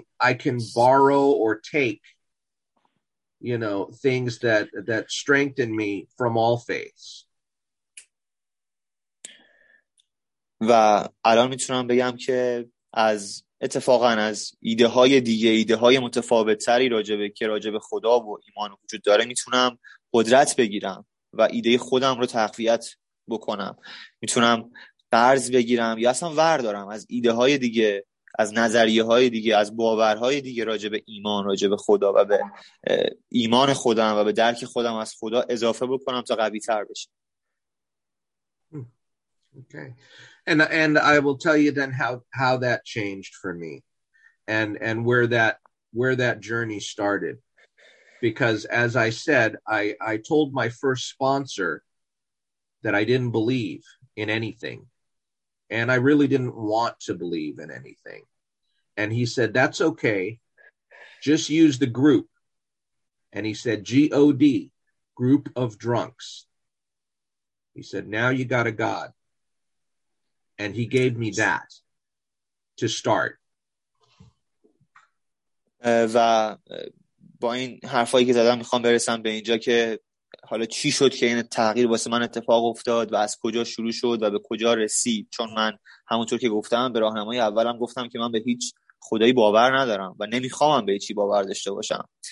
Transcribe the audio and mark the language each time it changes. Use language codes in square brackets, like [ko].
[en] I can borrow or take, you know, things that strengthen me from all faiths. [fa] و الان میتونم بگم که از اتفاقا از ایده های دیگه، ایده های متفاوت تری راجبه خدا و ایمان وجود داره، میتونم قدرت بگیرم و ایده خودم رو تقویت بکنم، میتونم قرض بگیرم یا اصلا وردارم از ایده های دیگه، از نظریه های دیگه، از باورهای دیگه راجب ایمان، راجب خدا و به ایمان خودم و به درک خودم از خدا اضافه بکنم تا قوی تر بشه. [en] Okay. And I will tell you then how that changed for me and where that journey started. Because as I said, I told my first sponsor that I didn't believe in anything. And I really didn't want to believe in anything. And he said, that's okay. Just use the group. And he said, G-O-D, group of drunks. He said, now you got a God. And he gave me that to start. [fa] و با این حرفایی که زدم میخوام برسم به اینجا که حالا چی شد که این تغییر واسه من اتفاق افتاد و از کجا شروع شد و به کجا رسید، چون من همونطور که گفتم به راهنمای اولم گفتم که من به هیچ خدایی باور ندارم و نمیخوام به چی باور داشته باشم.